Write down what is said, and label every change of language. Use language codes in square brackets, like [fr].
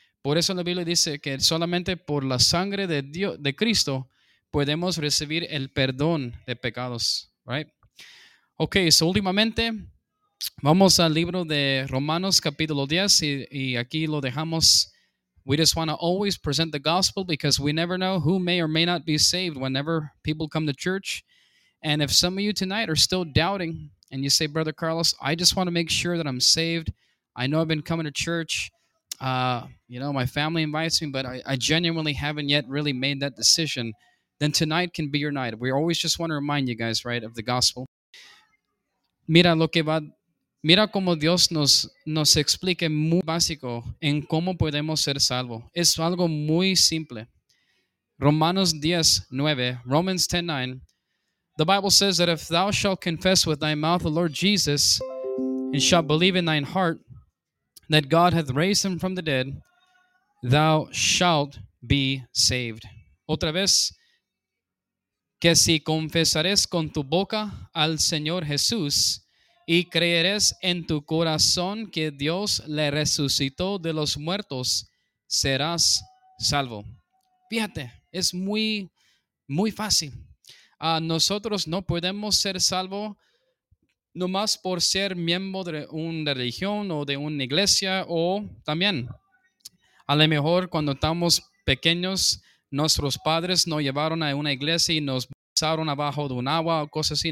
[es] Por eso la Biblia dice que solamente por la sangre de Dios, de Cristo, podemos recibir el perdón de pecados, right? Okay, so últimamente vamos al libro de Romanos capítulo 10 y aquí lo dejamos. [en] We just want to always present the gospel because we never know who may or may not be saved whenever people come to church. And if some of you tonight are still doubting and you say, Brother Carlos, I just want to make sure that I'm saved. I know I've been coming to church. My family invites me, but I genuinely haven't yet really made that decision. Then tonight can be your night. We always just want to remind you guys, right, of the gospel. [es] Mira lo que va. Mira cómo Dios nos explica muy básico en cómo podemos ser salvos. Es algo muy simple. Romanos 10, 9. [en] Romans 10, 9. The Bible says that if thou shalt confess with thy mouth the Lord Jesus and shalt believe in thine heart that God hath raised him from the dead, thou shalt be saved. [es] Otra vez, que si confesares con tu boca al Señor Jesús y creeres en tu corazón que Dios le resucitó de los muertos, serás salvo. Fíjate, es muy, muy fácil. Nosotros no podemos ser salvos nomás por ser miembro de una religión o de una iglesia, o también, a lo mejor cuando estamos pequeños, nuestros padres nos llevaron a una iglesia y nos bautizaron abajo de un agua o cosas así.